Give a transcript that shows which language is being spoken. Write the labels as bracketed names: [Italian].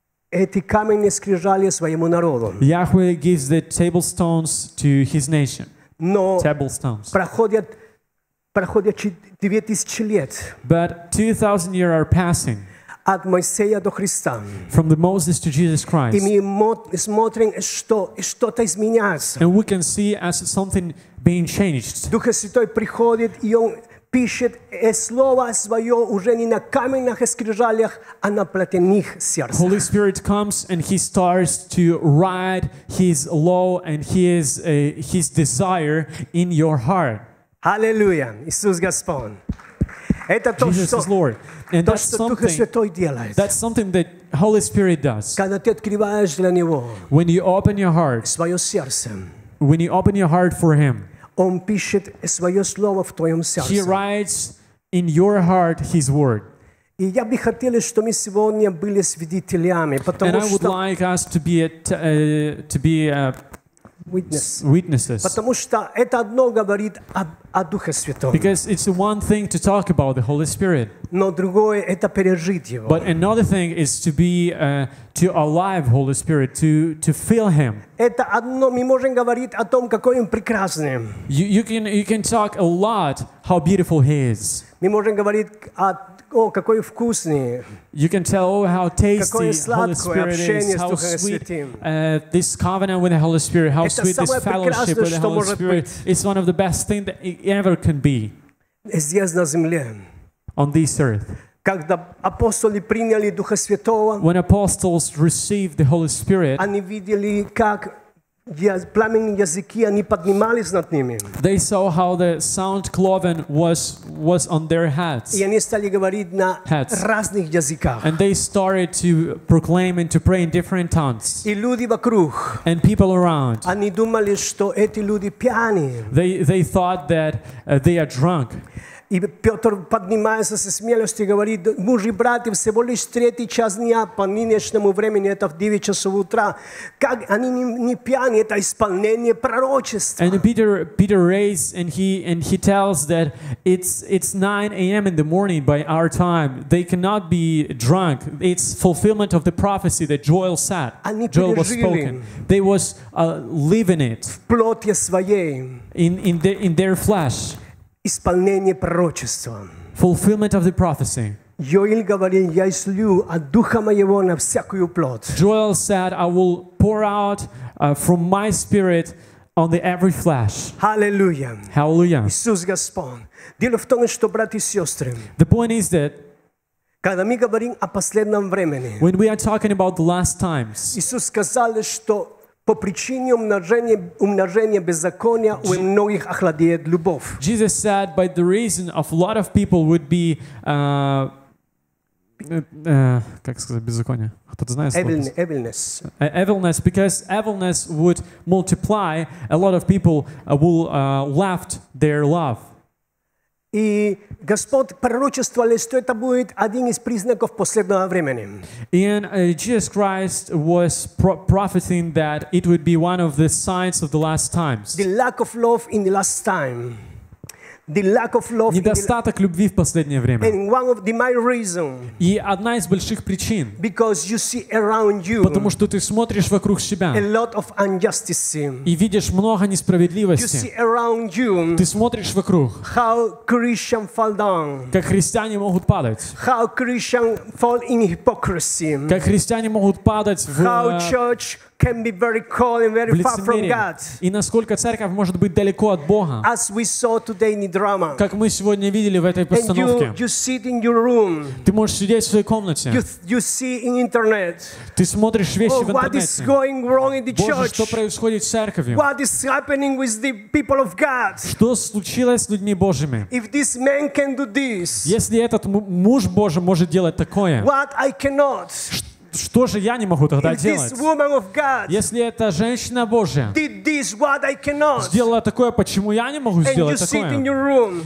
[Russian] Эти каменные скрижали своему народу. [English] Yahweh gives the table stones to his nation. [Russian] Но [English] table stones. [Russian] Проходят 2000 лет. [English] But 2000 years are passing. [Russian] От Моисея до Христа. [English] From the Moses to Jesus Christ. [Russian] И мы смотрим, что что-то изменяется. [English] And we can see as something being changed. [Russian] Дух Святой приходит, и он пишет слово свое уже не на каменных скрижалях, а на плотяных сердцах. [English] Holy Spirit comes and he starts to write his law and his desire in your heart. [Russian] Hallelujah. Иисус Господь. Это то, [English] Jesus [Russian] что, [English] is Lord. And [Russian] то, [English] that's something, [Russian] Дух Святой делает. [English] That's something that Holy Spirit does. [Russian] Когда ты открываешь для него [English] when you open your heart, [Russian] свое сердце, [English] when you open your heart for him, [Russian] Он пишет свое слово в твоем сердце. [English] He writes in your heart his word. [Russian] И я бы хотел, чтобы мы сегодня были свидетелями, потому [English] and [Russian] что [English] and I would like us to be witnesses. [Russian] Потому что это одно говорит о Духе Святом. [English] Because it's one thing to talk about the Holy Spirит. [Russian] Но другое это пережить его. [English] But another thing is to be to alive Holy Spirit, to feel Him. [Russian] Это одно. Мы можем говорить о том, какой Он прекрасный. [English] You can talk a lot how beautiful He is. [Russian] Мы можем говорить о какой вкусный. [English] You can tell how tasty [Russian] какое сладкое [English] Holy Spirit [Russian] общение [English] is, [Russian] с Духом Святым. [English] This covenant with the Holy Spirit, how [Russian] это [English] sweet this fellowship with the Holy Spirit is one of the best things that it ever can be. [Russian] Здесь на земле. [English] On this earth. [Russian] Когда апостолы приняли Духа Святого, [English] when apostles received the Holy Spirit, [Russian] они видели, как пламенные языки они поднимались над ними. [English] They saw how the sound cloven was on their heads. [Russian] И они стали говорить на разных языках. [English] And they started to proclaim and to pray in different tongues. [Russian] И люди вокруг. [English] And people around. [Russian] Они думали, что эти люди пьяные. [English] They thought that they are drunk. [Russian] И Петр поднимается со смелостью и говорит: «Мужи, братья, всего лишь третий час дня по нынешнему времени, это в 9 часов утра. Как они не пьяны, это исполнение пророчества». [English] And Peter raises and he tells that it's 9 a.m. in the morning by our time. They cannot be drunk. It's fulfillment of the prophecy that Joel said. [Russian] Они [English] Joel was spoken. They was living it. [Russian] В плоти своей. [English] In their flesh. [Russian] Исполнение пророчества. [English] Fulfillment of the prophecy. [Russian] Joel говорил, я излью от духа моего на всякую плоть. [English] Joel said, I will pour out from my spirit on the every flesh. Hallelujah. Hallelujah. [Russian] Иисус Господь. Дело в том, что братья и сестры. [English] The point is that [Russian] когда мы говорим о последнем времени. [English] When we are talking about the last times. [Russian] Иисус сказал, что по причине умножения беззакония у многих охладеет любовь. [English] Jesus said, by the reason of a lot of people would be [Russian] Как сказать, беззаконие? Кто-то знает слово? [English] Evilness. Evilness, because evilness would multiply, a lot of people will left their love. [Russian] И Господь пророчествовал, что это будет один из признаков последнего времени. [English] And Jesus Christ was prophesying that it would be one of the signs of the last times. The lack of love in the last time. The lack of love. [Russian] Недостаток любви в последнее время. [English] And one of the main reason. [Russian] И одна из больших причин. [English] Because you see around you. [Russian] Потому что ты смотришь вокруг себя. [English] A lot of injustice. [Russian] И видишь много несправедливости. [English] You see around you. [Russian] Ты смотришь вокруг. [English] How Christians fall down. [Russian] Как христиане могут падать. [English] How Christians fall in hypocrisy. [Russian] Как христиане могут падать в. [English] How church can be very cold and very far from God. [Russian] И насколько церковь может быть далеко от Бога? [English] As we saw today in the drama. [Russian] Как мы сегодня видели в этой постановке. [English] And you sit in your room. [Russian] Ты можешь сидеть в своей комнате. [English] You see in internet. [Russian] Ты смотришь вещи в интернете. [English] What is going wrong in the church? [Russian] Боже, что происходит в церкви? [English] What is happening with the people of God? [Russian] Что случилось с людьми Божьими? [English] If this man can do this. [Russian] Если этот муж Божий может делать такое. [English] What I cannot. [Russian] Что же я не могу тогда делать? Если эта женщина Божья сделала такое, почему я не могу сделать такое?